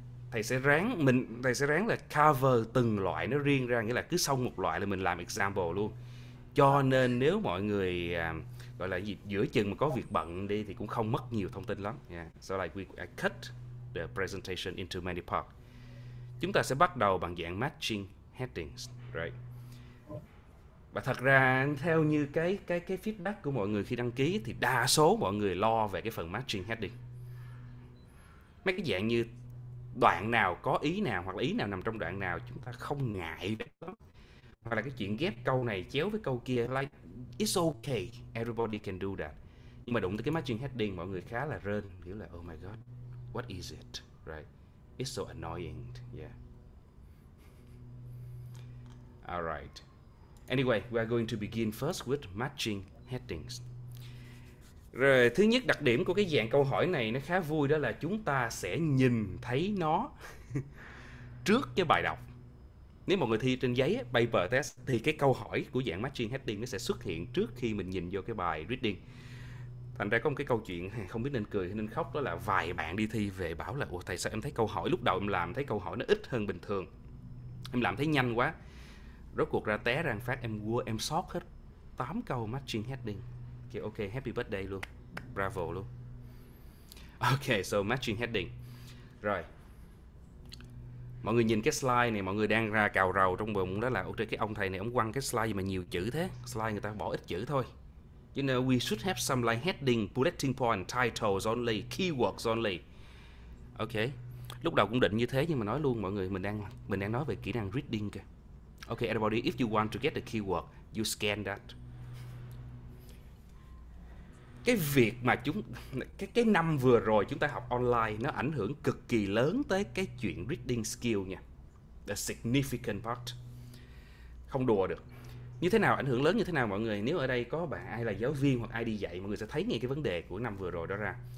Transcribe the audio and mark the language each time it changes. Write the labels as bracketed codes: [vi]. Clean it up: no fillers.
[vi] Thầy sẽ ráng là cover từng loại nó riêng ra, nghĩa là cứ xong một loại là mình làm example luôn. Cho nên nếu mọi người gọi là gì, giữa chừng mà có việc bận đi thì cũng không mất nhiều thông tin lắm. Yeah. [en] So like we cut the presentation into many parts. [vi] Chúng ta sẽ bắt đầu bằng dạng matching headings, right? Và thật ra theo như cái feedback của mọi người khi đăng ký thì đa số mọi người lo về cái phần matching heading. Mấy cái dạng như đoạn nào có ý nào hoặc là ý nào nằm trong đoạn nào chúng ta không ngại lắm. Hoặc là cái chuyện ghép câu này chéo với câu kia, [en] like it's okay, everybody can do that. [vi] Nhưng mà đụng tới cái matching heading mọi người khá là rên, kiểu là [en] oh my god, what is it, right? It's so annoying, yeah. All right. Anyway, we are going to begin first with matching headings. [vi] Rồi, thứ nhất, đặc điểm của cái dạng câu hỏi này nó khá vui, đó là chúng ta sẽ nhìn thấy nó trước cái bài đọc. Nếu mọi người thi trên giấy, paper test, thì cái câu hỏi của dạng matching heading nó sẽ xuất hiện trước khi mình nhìn vô cái bài reading. Thành ra có một cái câu chuyện không biết nên cười hay nên khóc, đó là vài bạn đi thi về bảo là ủa thầy sao em thấy câu hỏi lúc đầu em làm thấy câu hỏi nó ít hơn bình thường, em làm thấy nhanh quá. Rốt cuộc ra té răng phát em qua, em sót hết 8 câu matching heading. [en] Okay, ok, happy birthday luôn, bravo luôn. Ok, so matching heading. [vi] Rồi, mọi người nhìn cái slide này, mọi người đang ra cào rầu trong bụng đó là ok, cái ông thầy này ông quăng cái slide gì mà nhiều chữ thế, slide người ta bỏ ít chữ thôi. [en] You know, we should have some like heading, bulleting point, titles only, keywords only. [vi] Ok, lúc đầu cũng định như thế nhưng mà nói luôn mọi người, mình đang nói về kỹ năng reading kìa. [en] Ok, everybody, if you want to get the keyword, you scan that. [vi] cái việc mà chúng cái năm vừa rồi chúng ta học online nó ảnh hưởng cực kỳ lớn tới cái chuyện reading skill nha. [en] The significant part. [vi] Không đùa được. Như thế nào, ảnh hưởng lớn như thế nào mọi người? Nếu ở đây có bạn ai là giáo viên hoặc ai đi dạy, mọi người sẽ thấy ngay cái vấn đề của năm vừa rồi đó ra.